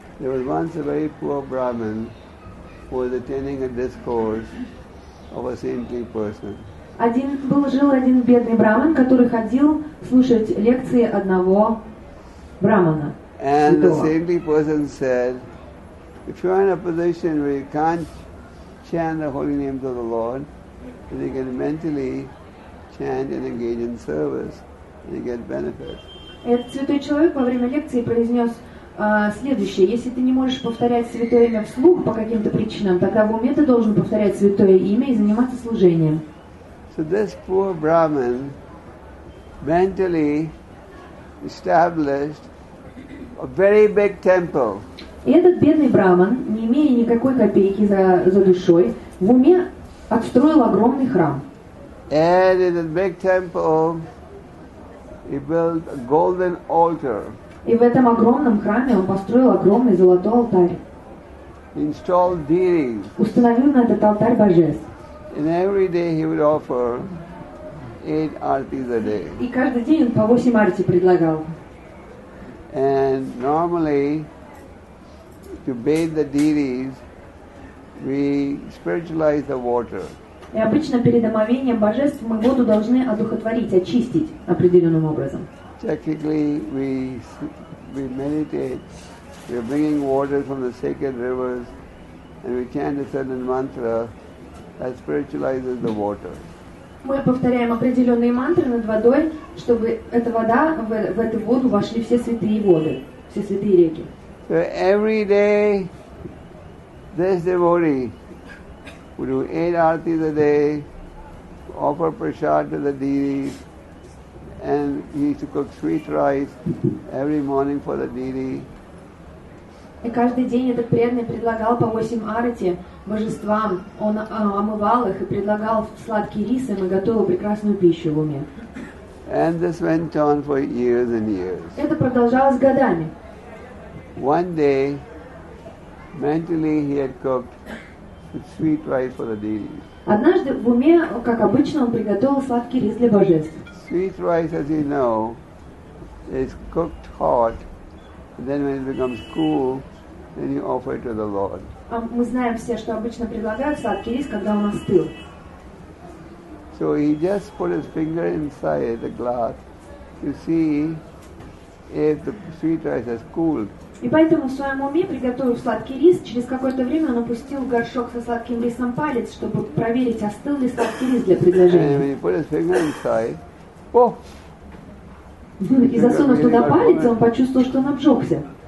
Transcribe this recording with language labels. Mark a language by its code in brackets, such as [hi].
[en] There was once a very poor Brahmin who was attending a discourse of a saintly person. [ru] Жил один бедный браман, который ходил слушать лекции одного брамана. [en] And the saintly person said, if you are in a position where you can't chant the holy names of the Lord, then you can mentally chant and engage in service, and you get benefit. [ru] Этот святой человек во время лекции произнес следующее. Если ты не можешь повторять святое имя вслух по каким-то причинам, тогда в уме ты должен повторять святое имя и заниматься служением. [en] So this poor Brahmin mentally established a very big temple. [ru] И этот бедный Брахман, не имея никакой копейки за душой, в уме отстроил огромный храм. [en] And in that big temple he built a golden altar. [ru] И в этом огромном храме он построил огромный золотой алтарь. [en] Installed deities. [ru] Установил на этот алтарь божеств. [en] And every day he would offer 8 artis a day. [ru] И каждый день он по 8 арти предлагал. [en] And normally, to bathe the deities, we spiritualize the water. [ru] И обычно перед омовением божеств мы воду должны одухотворить, очистить определенным образом. [en] Technically, we meditate. We are bringing water from the sacred rivers, and we chant a certain mantra. That spiritualizes the water. [ru] Мы повторяем определенные мантры над водой, чтобы эта вода в эту воду вошли все святые воды, все святые реки. [en] So every day, this devotee would do 8 artis a day, offer prasad to the deities, and he used to cook sweet rice every morning for the deity. [ru] И каждый день этот преданный предлагал по 8 арати божествам. Он омывал их и предлагал сладкий рис, и мы готовил прекрасную пищу в уме. [en] And this went on for years and years. [ru] Это продолжалось годами. [en] One day, mentally he had cooked sweet rice for the deity. [ru] Однажды в уме, как обычно, он приготовил сладкий рис для божеств. [en] Sweet rice, as you know, is cooked hot. Then when it becomes cool, then you offer it to the Lord. [ru] Мы знаем все, что обычно предлагают сладкий рис, когда он остыл. [en] So he just put his finger inside the glass to see if the sweet rice has cooled. [ru] И поэтому в своем уме, приготовив сладкий рис, через какое-то время он опустил в горшок со сладким рисом палец, чтобы проверить, остыл ли сладкий рис для предложения. [en] And when he put his finger inside, oh! [ru] И засунув туда палец, он почувствовал, что он обжегся.